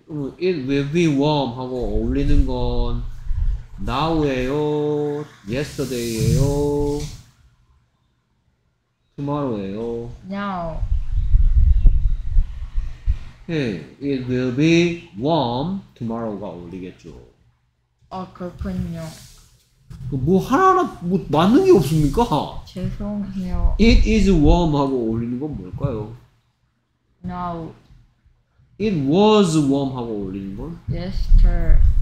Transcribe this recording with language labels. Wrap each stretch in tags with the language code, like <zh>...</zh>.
<ko>그럼</ko> <en>it will be warm</en> <ko>하고 어울리는 건</ko> <en>now예요? yesterday예요? tomorrow예요? now. Okay. It will be warm tomorrow가</en> <ko>어울리겠죠. 아, 그렇군요. 뭐 하나하나 뭐 맞는 게 없습니까? 죄송해요.</ko> <en>It is warm</en> <ko>하고 어울리는 건 뭘까요?</ko> <en>Now. It was warm</en> <ko>하고 어울리는 건?</ko> <en>Yesterday.</en>